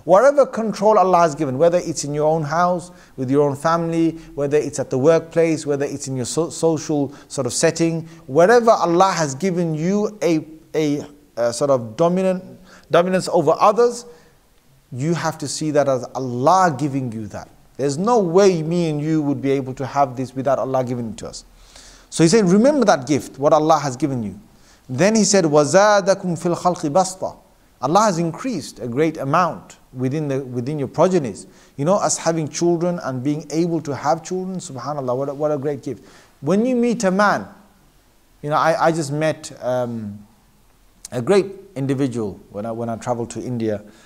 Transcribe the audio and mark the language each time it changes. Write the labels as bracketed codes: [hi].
[en] Whatever control Allah has given, whether it's in your own house, with your own family, whether it's at the workplace, whether it's in your social sort of setting, wherever Allah has given you a sort of dominance over others, you have to see that as Allah giving you that. There's no way me and you would be able to have this without Allah giving it to us. So he said, remember that gift, what Allah has given you. Then he said, [ar] وَزَادَكُمْ فِي الْخَلْقِ بَسْطًا. [en] Allah has increased a great amount within your progenies. As having children and being able to have children, subhanAllah, what a great gift. When you meet a man, I just met a great individual when I traveled to India.